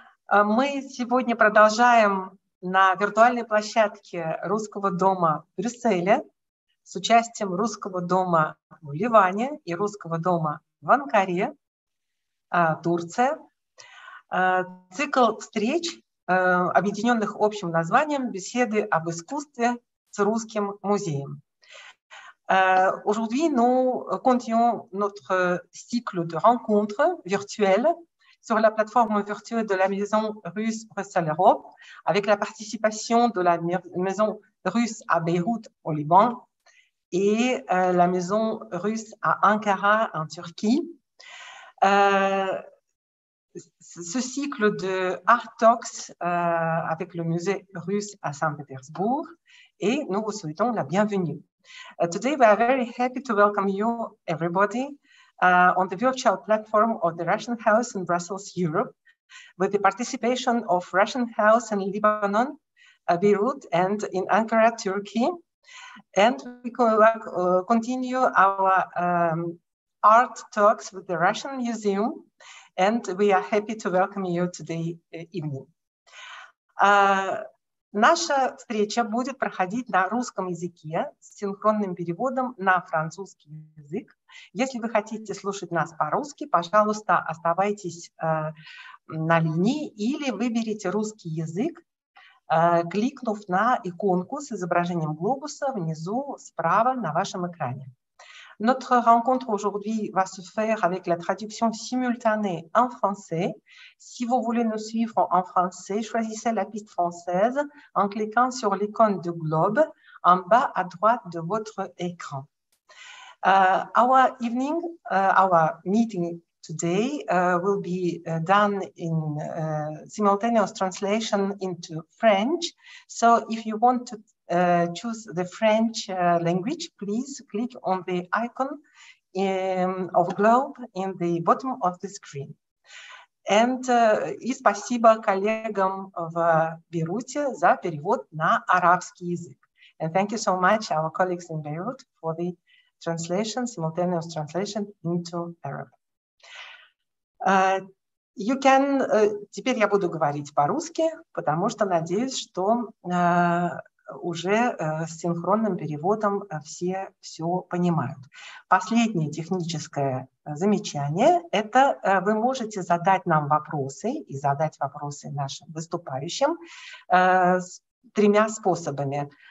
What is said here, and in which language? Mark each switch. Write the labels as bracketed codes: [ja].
[ru] Мы сегодня продолжаем на виртуальной площадке Русского дома в Брюсселе с участием Русского дома в Ливане и Русского дома в Анкаре, Турция. Цикл встреч, объединенных общим названием «Беседы об искусстве с русским музеем». [fr] Aujourd'hui, nous continuons notre cycle de rencontres virtuelles sur la plateforme virtuelle de la Maison russe Bruxelles Europe avec la participation de la Maison russe à Beyrouth au Liban et la Maison russe à Ankara en Turquie. Ce cycle de Art Talks avec le musée russe à Saint-Pétersbourg et nous vous souhaitons la bienvenue. [en] Today we are very happy to welcome you, everybody, on the virtual platform of the Russian House in Brussels, Europe, with the participation of Russian House in Lebanon, Beirut, and in Ankara, Turkey. And we continue our art talks with the Russian Museum, and we are happy to welcome you today evening. [ru] Наша встреча будет проходить на русском языке с синхронным переводом на французский язык. Если вы хотите слушать нас по-русски, пожалуйста, оставайтесь на линии или выберите русский язык, кликнув на иконку с изображением глобуса внизу справа на вашем экране. [fr] Notre rencontre aujourd'hui va se faire avec la traduction simultanée en français. Si vous voulez nous suivre en français, choisissez la piste française en cliquant sur l'icône de globe en bas à droite de votre écran. [en] Our meeting today will be done in simultaneous translation into French. So if you want to choose the French language, please click on the icon of globe in the bottom of the screen. [ru] And и спасибо коллегам в Бейруте за перевод на арабский язык. [en] And thank you so much our colleagues in Beirut for the translation, simultaneous translation into Arab. You can, [ru] теперь я буду говорить по-русски, потому что надеюсь, что уже с синхронным переводом все все понимают. Последнее техническое замечание – это вы можете задать нам вопросы и задать вопросы нашим выступающим тремя способами.